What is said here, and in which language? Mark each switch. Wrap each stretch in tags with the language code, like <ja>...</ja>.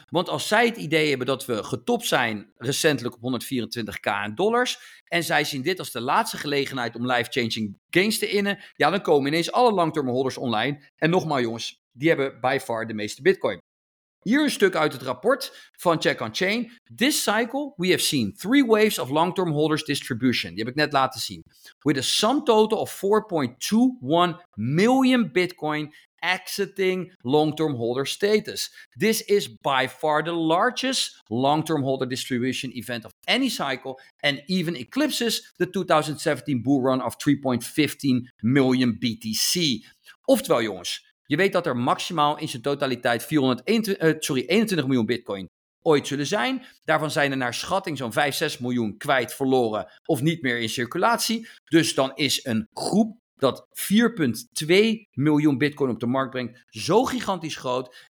<nl>Want als zij het idee hebben dat we getopt zijn recentelijk op 124k en dollars, en zij zien dit als de laatste gelegenheid om</nl> <en>life-changing gains</en> <nl>te innen, ja, dan komen ineens alle long-term holders online. En nogmaals jongens, die hebben</nl> <en>by far</en> <nl>de meeste bitcoin. Hier een stuk uit het rapport van Check on Chain.</nl> <en>This cycle, we have seen 3 waves of long-term holders distribution.</en> <nl>Die heb ik net laten zien.</nl> <en>With a sum total of 4.21 million bitcoin exiting long-term holder status. This is by far the largest long-term holder distribution event of any cycle and even eclipses the 2017 bull run of 3.15 million BTC.</en> <nl>Oftewel jongens, je weet dat er maximaal in zijn totaliteit 21 miljoen bitcoin ooit zullen zijn. Daarvan zijn er naar schatting zo'n 5, 6 miljoen kwijt, verloren of niet meer in circulatie. Dus dan is een groep dat 4,2 miljoen bitcoin op de markt brengt, zo gigantisch groot.</nl>